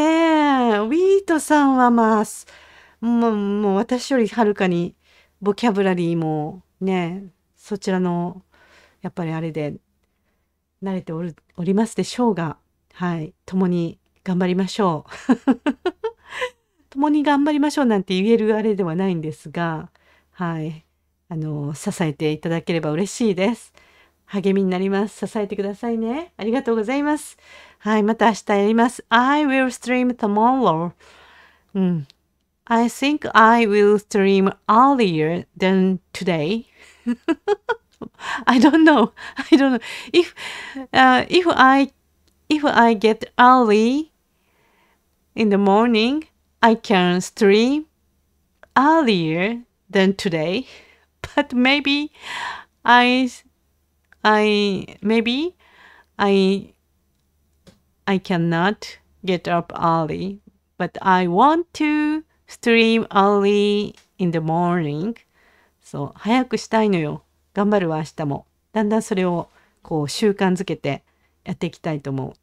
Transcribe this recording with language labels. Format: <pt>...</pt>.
<ja>ウィートさんはまあ、もう私よりはるかにボキャブラリーもね、そちらのやっぱりあれで慣れておりますでしょうが、はい、共に。頑張りましょう。共に頑張りましょうなんて言えるあれではないんですが、はい、支えていただければ嬉しいです。励みになります。支えてくださいね。ありがとうございます。はい、また明日やります。</ja> <en>I will stream tomorrow、I think I will stream earlier than today. I don't know if I get earlyIn the morning, I can stream earlier than today, but maybe I cannot get up early, but I want to stream early in the morning.</en> <ja>そう、早くしたいのよ。頑張るわ、明日も。だんだんそれをこう習慣づけてやっていきたいと思う。</ja>